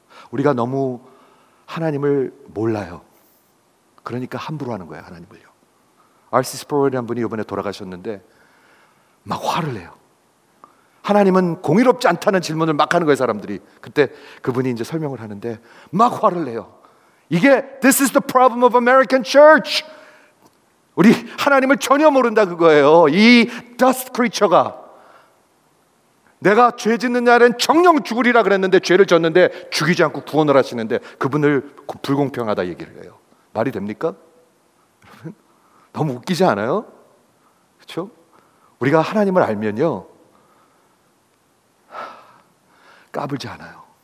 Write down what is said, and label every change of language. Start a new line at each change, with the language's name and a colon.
Korean: 우리가 너무 하나님을 몰라요. 그러니까 함부로 하는 거예요, 하나님을요. R.C. Sproul이라는 분이 이번에 돌아가셨는데 막 화를 내요. 하나님은 공의롭지 않다는 질문을 막 하는 거예요, 사람들이. 그때 그분이 이제 설명을 하는데 막 화를 내요. 이게
English: This is the problem of American church.
Korean: 우리 하나님을 전혀 모른다 그거예요. 이 dust creature가 내가 죄 짓는 날엔 정녕 죽으리라 그랬는데 죄를 졌는데 죽이지 않고 구원을 하시는데 그분을 불공평하다 얘기를 해요. 말이 됩니까? 여러분 너무 웃기지 않아요? 그렇죠? 우리가 하나님을 알면요 까불지 않아요.